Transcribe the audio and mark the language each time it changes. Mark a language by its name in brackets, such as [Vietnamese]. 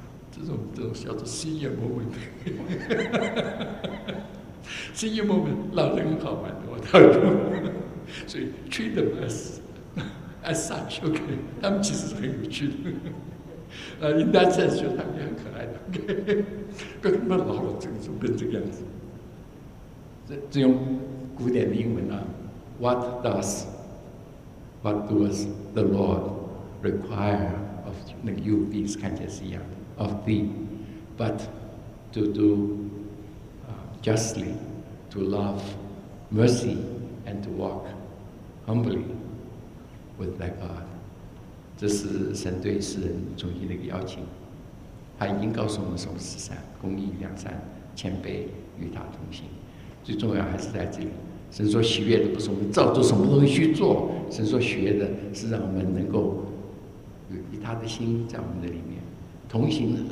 [Chinese] 这种叫做 senior moment. senior moment, 老人好玩的，我倒有。所以 [English] treat them as such, okay. [Chinese] 他们其实是很有趣的。 [English] In that sense, [Chinese] 就他们也很可爱的。OK， 那么老了，这个就变这个样子。这用古典的英文啊 [English] ，What does the Lord require of [Chinese] 那个 UV 看起来是一样的 [English] ，of thee，but to do justly, to love mercy, and to walk humbly with thy God。 [Chinese] 这是神对世人重新的一个邀请，他已经告诉我们什么是善，公义、良善、谦卑与他同行。最重要还是在这里，神所喜悦的不是我们照着什么东西去做，神所喜悦的是让我们能够有以他的心在我们的里面同行。